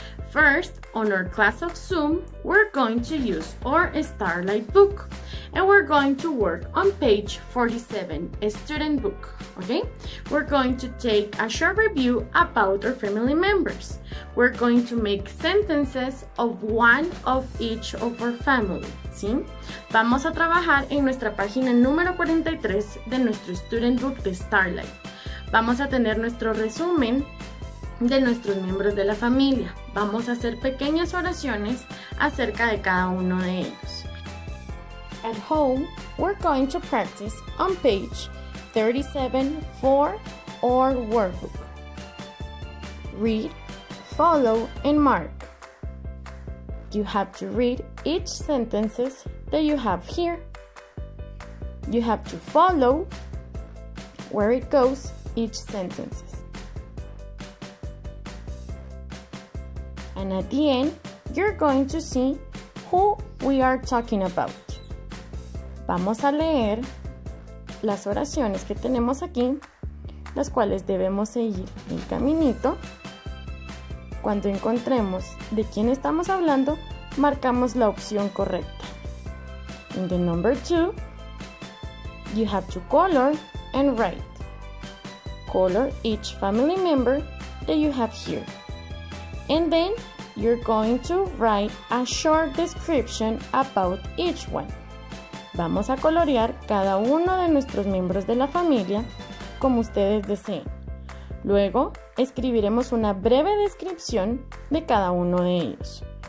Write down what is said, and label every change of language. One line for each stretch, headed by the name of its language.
English: First, on our class of Zoom, we're going to use our Starlight book, and we're going to work on page 47, a student book, okay? We're going to take a short review about our family members. We're going to make sentences of one of each of our family, ¿sí?
Spanish: Vamos a trabajar en nuestra página número 43 de nuestro student book de Starlight. Vamos a tener nuestro resumen de nuestros miembros de la familia. Vamos a hacer pequeñas oraciones acerca de cada uno de ellos.
English: At home, we're going to practice on page 37 for our workbook. Read, follow, and mark. You have to read each sentence that you have here. You have to follow where it goes each sentence. And at the end, you're going to see who we are talking about.
Spanish: Vamos a leer las oraciones que tenemos aquí, las cuales debemos seguir el caminito. Cuando encontremos de quién estamos hablando, marcamos la opción correcta.
English: In the number two, you have to color and write. Color each family member that you have here. And then you're going to write a short description about each one.
Spanish: Vamos a colorear cada uno de nuestros miembros de la familia como ustedes deseen. Luego, escribiremos una breve descripción de cada uno de ellos.